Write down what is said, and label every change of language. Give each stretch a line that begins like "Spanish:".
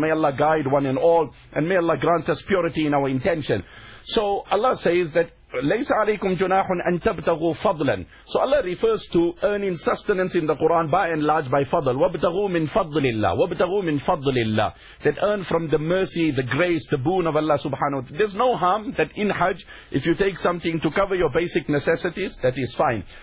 English: May Allah guide one and all, and may Allah grant us purity in our intention. So Allah says that
Arabic: لَيْسَ عَلَيْكُمْ جُنَاحٌ أَن تَبْتَغُوا فَضْلًا.
English: So Allah refers to earning sustenance in the Quran by and large by fadl.
Arabic: وَبْتَغُوا مِن فَضْلِ اللَّهِ
English: وَبْتَغُوا مِن فَضْلِ اللَّهِ That earn from the mercy, the grace, the boon of Allah subhanahu wa ta'ala. There's no harm that in Hajj, if you take something to cover your basic necessities, that is fine.